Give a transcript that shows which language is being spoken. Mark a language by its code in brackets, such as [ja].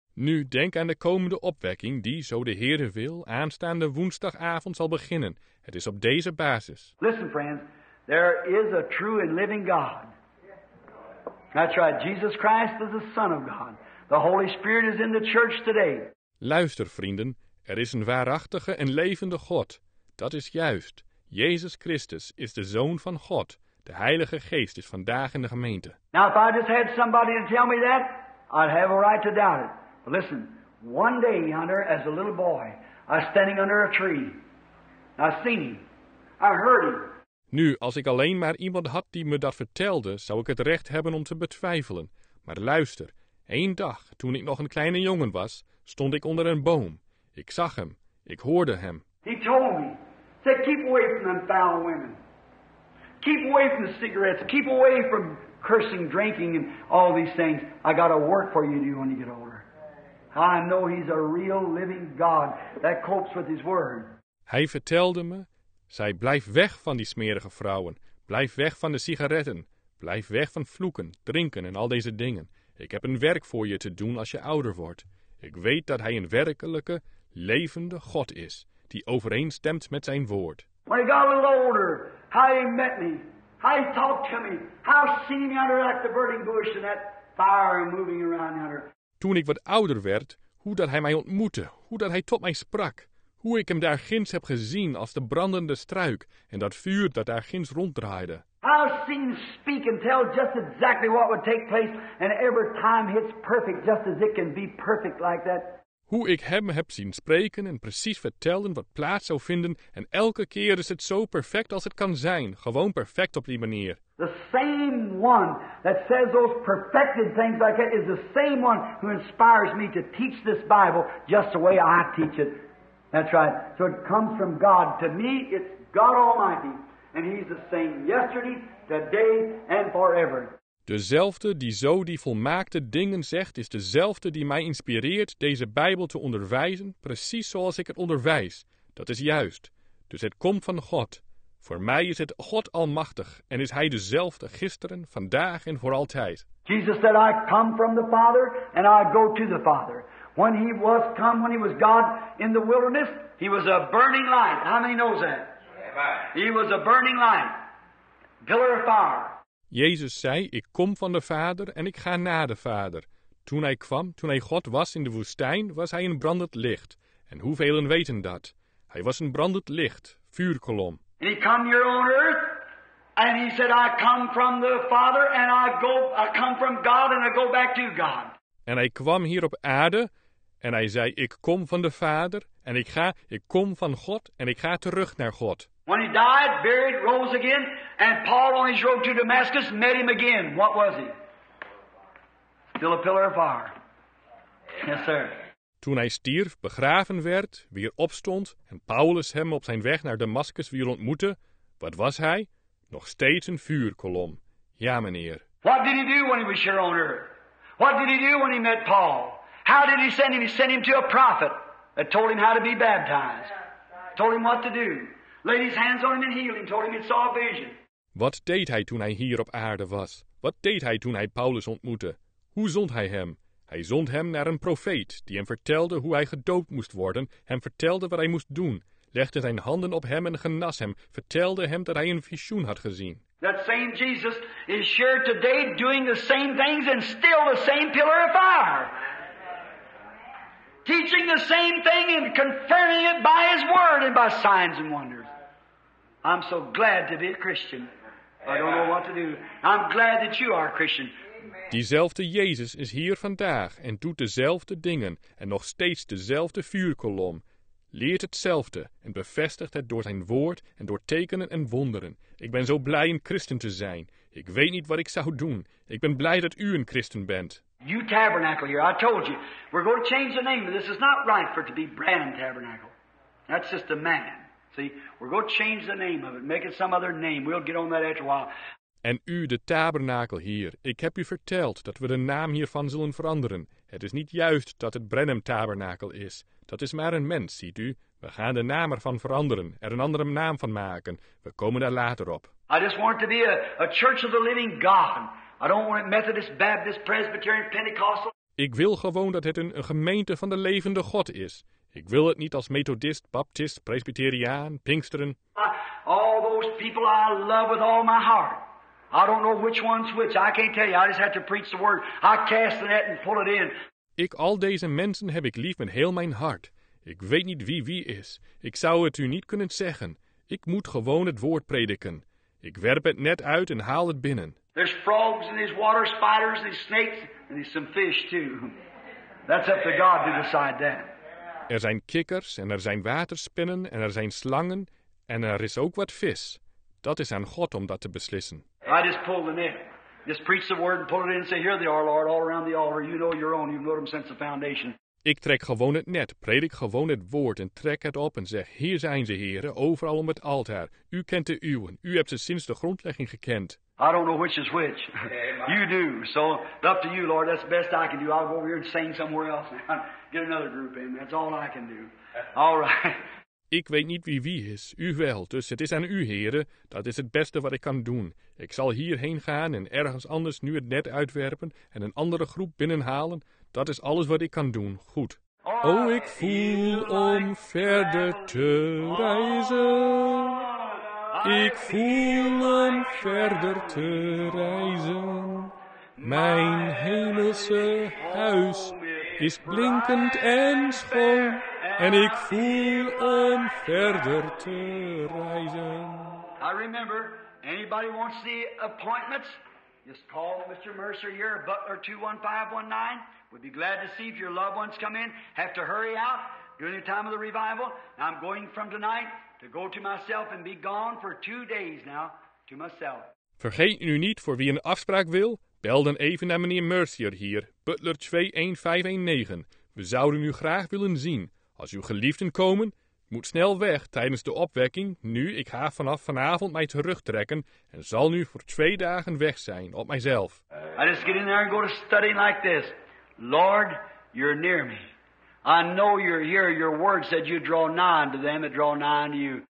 [nl] Nu, denk aan de komende opwekking die, zo de Heere wil, aanstaande woensdagavond zal beginnen. Het is op deze basis. [en] Listen, friends. There is a true and living God. That's right. Jesus Christ is the Son of God. The Holy Spirit is in the church today. [nl] Luister, vrienden. Er is een waarachtige en levende God. Dat is juist. Jezus Christus is de Zoon van God. De Heilige Geest is vandaag in de gemeente. [en] Now, if I just had somebody to tell me that, I'd have a right to doubt it. But listen, one day, Hunter, as a little boy, I was standing under a tree. I seen him. I heard him. [nl] Nu, als ik alleen maar iemand had die me dat vertelde, zou ik het recht hebben om te betwijfelen. Maar luister, één dag, toen ik nog een kleine jongen was, stond ik onder een boom. Ik zag hem, ik hoorde hem. [en] He told me, said, keep away from them foul women. Keep away from the cigarettes, keep away from cursing, drinking and all these things. I got a work for you to do when you get older. I know he's a real living God that copes with his word. [nl] Hij vertelde me, zij, blijf weg van die smerige vrouwen. Blijf weg van de sigaretten. Blijf weg van vloeken, drinken en al deze dingen. Ik heb een werk voor je te doen als je ouder wordt. Ik weet dat hij een werkelijke, levende God is, die overeenstemt met zijn woord. [en] When he got a little older, how he met me, how he talked to me, how he seen me under like the burning bush and that fire moving around under. [nl] Toen ik wat ouder werd, hoe dat hij mij ontmoette, hoe dat hij tot mij sprak. Hoe ik hem daar ginds heb gezien als de brandende struik en dat vuur dat daar ginds ronddraaide. [en] I've seen him speak and tell just exactly what would take place and every time hits perfect just as it can be perfect like that. [nl] Hoe ik hem heb zien spreken en precies vertellen wat plaats zou vinden en elke keer is het zo perfect als het kan zijn, gewoon perfect op die manier. [en] The same one that says those perfected things like that is the same one who inspires me to teach this Bible just the way I teach it. That's right. So it comes from God. To me, it's God Almighty. And he's the same yesterday, today, and forever. [nl] Dezelfde die zo die volmaakte dingen zegt, is dezelfde die mij inspireert deze Bijbel te onderwijzen, precies zoals ik het onderwijs. Dat is juist. Dus het komt van God. Voor mij is het God Almachtig, en is hij dezelfde gisteren, vandaag en voor altijd. [en] Jesus said, I come from the Father, and I go to the Father. When he was come, when he was God in the wilderness, he was a burning light. How many knows that? Amen. He was a burning light. Pillar of fire. [nl] Jezus zei, ik kom van de Vader en ik ga naar de Vader. Toen hij kwam, toen hij God was in de woestijn, was hij een brandend licht. En hoeveelen weten dat? Hij was een brandend licht, vuurkolom. [en] And he come here on earth, and he said, I come from the Father, and I come from God, and I go back to God. [nl] En hij kwam hier op aarde en hij zei, ik kom van de Vader en ik kom van God en ik ga terug naar God. [en] When he died, buried, rose again, and Paul on his road to Damascus met him again. What was he? Still a pillar of fire. Yes, sir. [nl] Toen hij stierf, begraven werd, weer opstond en Paulus hem op zijn weg naar Damascus weer ontmoette, wat was hij? Nog steeds een vuurkolom. Ja, meneer. [en] What did he do when he was here on earth? What did he do when he met Paul? How did he send him? He sent him to a prophet that told him how to be baptized. Told him what to do. Laid his hands on him and healed him. Told him he saw a vision. [nl] Wat deed hij toen hij hier op aarde was? Wat deed hij toen hij Paulus ontmoette? Hoe zond hij hem? Hij zond hem naar een profeet, die hem vertelde hoe hij gedoopt moest worden, hem vertelde wat hij moest doen, legde zijn handen op hem en genas hem, vertelde hem dat hij een visioen had gezien. [en] That same Jesus is sure today doing the same things and still the same pillar of fire. Teaching the same thing and confirming it by his word and by signs and wonders. I'm so glad to be a Christian. I don't know what to do. I'm glad that you are a Christian. [nl] Diezelfde Jezus is hier vandaag en doet dezelfde dingen en nog steeds dezelfde vuurkolom. Leert hetzelfde en bevestigt het door zijn woord en door tekenen en wonderen. Ik ben zo blij een christen te zijn. Ik weet niet wat ik zou doen. Ik ben blij dat u een christen bent. [en] You tabernacle here, I told you. We're going to change the name. This is not right for it to be Branham Tabernacle. That's just a man. See, we're going to change the name of it. Make it some other name. We'll get on that after a while. [nl] En u, de tabernakel hier, ik heb u verteld dat we de naam hiervan zullen veranderen. Het is niet juist dat het Branham Tabernakel is. Dat is maar een mens, ziet u. We gaan de naam ervan veranderen, er een andere naam van maken. We komen daar later op. [en] I just want it to be a church of the living God. I don't want it Methodist, Baptist, Presbyterian, Pentecostal. [nl] Ik wil gewoon dat het een gemeente van de levende God is. Ik wil het niet als Methodist, Baptist, Presbyteriaan, Pinksteren. [en] All those people I love with all my heart. I don't know which one's which. I can't tell you. I just have to preach the word. I cast the net and pull it in. [nl] Ik, al deze mensen heb ik lief met heel mijn hart. Ik weet niet wie wie is. Ik zou het u niet kunnen zeggen. Ik moet gewoon het woord prediken. Ik werp het net uit en haal het binnen. [en] There's frogs and there's water spiders and there's snakes and there's some fish too. That's up to God to decide that. [nl] Er zijn kikkers en er zijn waterspinnen en er zijn slangen en er is ook wat vis. Dat is aan God om dat te beslissen. [en] I just pull the net. Just preach the word and pull it in and say, here they are, Lord, all around the altar. You know your own. You've known them since the foundation. [nl] Ik trek gewoon het net, predik gewoon het woord en trek het op en zeg, hier zijn ze, heren, overal om het altaar. U kent de uwen. U hebt ze sinds de grondlegging gekend. [en] I don't know which is which. Amen. You do. So, up to you, Lord. That's the best I can do. I'll go over here and sing somewhere else and get another group in. That's all I can do. All right. [nl] Ik weet niet wie wie is, u wel, dus het is aan u, heren. Dat is het beste wat ik kan doen. Ik zal hierheen gaan en ergens anders nu het net uitwerpen en een andere groep binnenhalen. Dat is alles wat ik kan doen, goed. O, oh, ik voel om verder te reizen. Ik voel om verder te reizen. Mijn hemelse huis is blinkend en schoon. En ik voel om verder te reizen. [en] I remember, anybody wants the appointments, just call Mr. Mercer here, Butler 21519. We'd be glad to see if your loved ones come in. Have to hurry out during the time of the revival. I'm going from tonight to go to myself and be gone for 2 days now to myself. [nl] Vergeet nu niet voor wie een afspraak wil, bel dan even naar meneer Mercer hier, Butler 21519. We zouden u graag willen zien. Als uw geliefden komen, moet snel weg tijdens de opwekking. Nu, ik ga vanaf vanavond mij terugtrekken en zal nu voor 2 dagen weg zijn op mijzelf. [en] I just get in there and go to studying like this. Lord, you're near me. I know you're here. Your word said you draw nigh unto them that draw nigh unto you.